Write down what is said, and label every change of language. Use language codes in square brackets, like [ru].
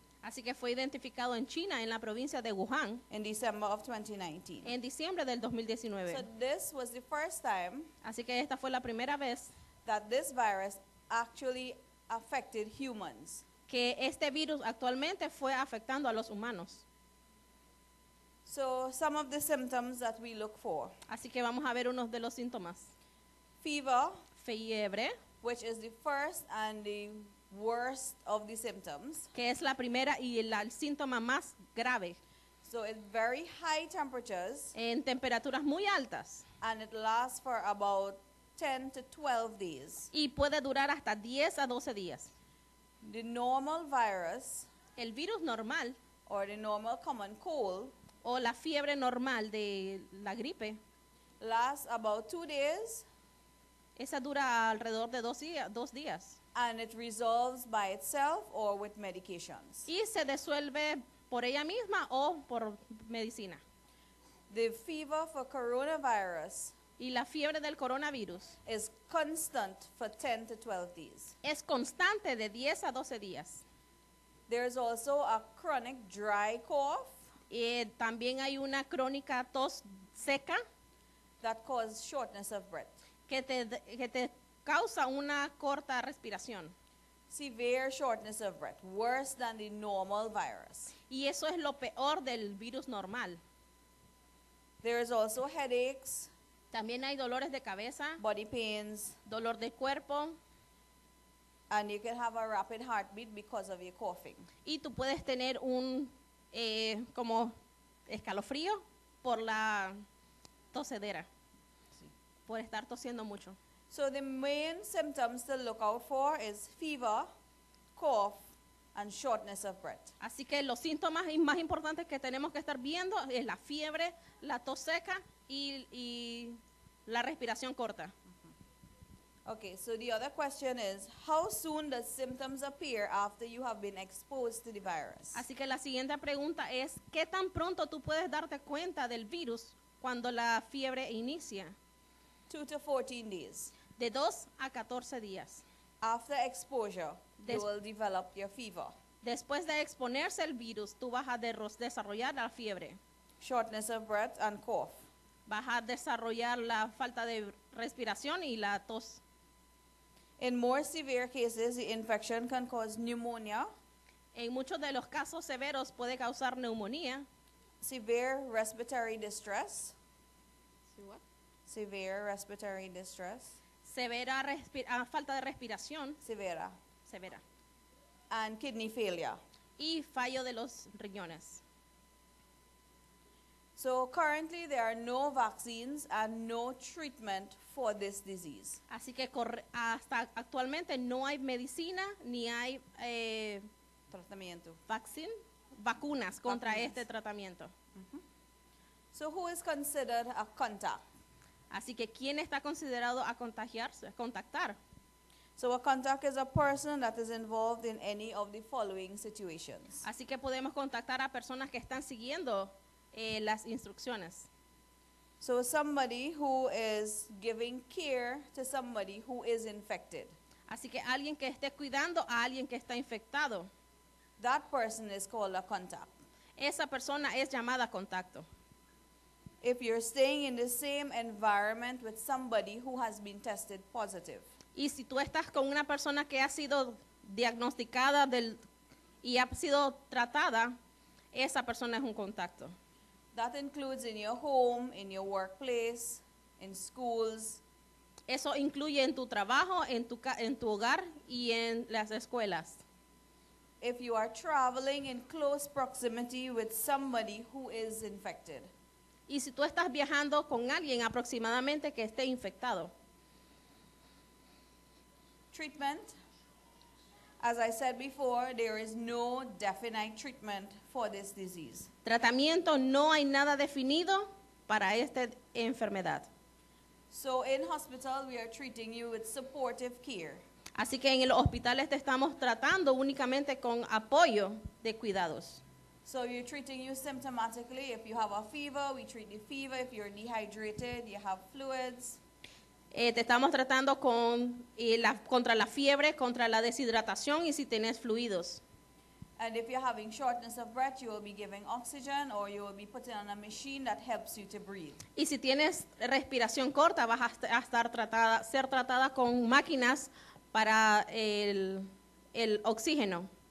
[es] Así que fue identificado en China en la provincia de Wuhan. [en] In December of 2019. [es] En diciembre del 2019. [en] So this was the first time. [es] Así que esta fue la primera vez. [en] That this virus actually affected humans. [es] que este virus actualmente fue afectando a los humanos. [en] So some of the symptoms that we look for. [es] Así que vamos a ver unos de los síntomas. [en] Fever. [es] Fiebre. [en] Which is the first and the worst of the symptoms. [es] Que es la primera y el síntoma más grave. [en] So it's very high temperatures. [es] En temperaturas muy altas. [en] And it lasts for about 10 to 12 days. [es] Y puede durar hasta 10 a 12 días. [en] The normal virus. [es] El virus normal. [en] Or the normal common cold. [es] O la fiebre normal de la gripe. [en] Lasts about 2 days. [es] Esa dura alrededor de dos días. [en] And it resolves by itself or with medications. [es] Y se disuelve por ella misma o por medicina. [en] The fever for coronavirus. [es] Y la fiebre del coronavirus [en] is constant for 10 to 12 days. [es] Es constante de 10 a 12 días. [en] There is also a chronic dry cough. [es] También hay una crónica tos seca. [en] That causes shortness of breath. [es] Que te causa una corta respiración. [en] Severe shortness of breath, worse than the normal virus. [es] Y eso es lo peor del virus normal. [en] There is also headaches. [es] También hay dolores de cabeza, [en] body pains, [es] dolor de cuerpo, [en] and you can have a rapid heartbeat because of your coughing. [es] Y tú puedes tener un como escalofrío por la tosedera, sí, por estar tosiendo mucho. [en] So the main symptoms to look out for is fever, cough, and shortness of breath. [es] Así que los síntomas más importantes que tenemos que estar viendo es la fiebre, la tos seca, y la respiración corta. [en] Okay, so the other question is, how soon does symptoms appear after you have been exposed to the virus? [es] Así que la siguiente pregunta es, ¿qué tan pronto tú puedes darte cuenta del virus cuando la fiebre inicia? [en] 2 to 14 days. [es] De 2 a 14 días. [en] After exposure, you will develop your fever. [es] Después de exponerse el virus, tú vas a desarrollar la fiebre. [en] Shortness of breath and cough. [es] Vas a desarrollar la falta de respiración y la tos. [en] In more severe cases, the infection can cause pneumonia. [es] En muchos de los casos severos puede causar neumonía. [en] Severe respiratory distress. See what? Severe respiratory distress. [es] Severa falta de respiración. Severa. Severa. [en] And kidney failure. [es] Y fallo de los riñones. [en] So currently there are no vaccines and no treatment for this disease. [es] Así que hasta actualmente no hay medicina ni hay tratamiento. Vacunas contra este tratamiento. [en] Mm-hmm. So who is considered a contact? [es] Así que ¿quién está considerado a contagiarse, a contactar? [en] So a contact is a person that is involved in any of the following situations. [es] Así que podemos contactar a personas que están siguiendo las instrucciones. [en] So somebody who is giving care to somebody who is infected. [es] Así que alguien que esté cuidando a alguien que está infectado. [en] That person is called a contact. [es] Esa persona es llamada contacto. [en] If you're staying in the same environment with somebody who has been tested positive. [es] Y si tú estás con una persona que ha sido diagnosticada y ha sido tratada, esa persona es un contacto. [en] That includes in your home, in your workplace, in schools. [es] Eso incluye en tu trabajo, en tu hogar y en las escuelas. [en] If you are traveling in close proximity with somebody who is infected. [es] Y si tú estás viajando con alguien aproximadamente que esté infectado. [en] Treatment. As I said before, there is no definite treatment for this disease. [es] Tratamiento, no hay nada definido para esta enfermedad. [en] So in hospital, we are treating you with supportive care. [es] Así que en los hospitales te estamos tratando únicamente con apoyo de cuidados. [en] So you're treating you symptomatically. If you have a fever, we treat the fever. If you're dehydrated, you have fluids. [es] Te estamos tratando contra la fiebre, contra la deshidratación y si tienes fluidos. [en] And if you're having shortness of breath, you will be giving oxygen or you will be putting on a machine that helps you to breathe. [es] Y si tienes respiración corta, vas a estar ser tratada con máquinas para el oxígeno.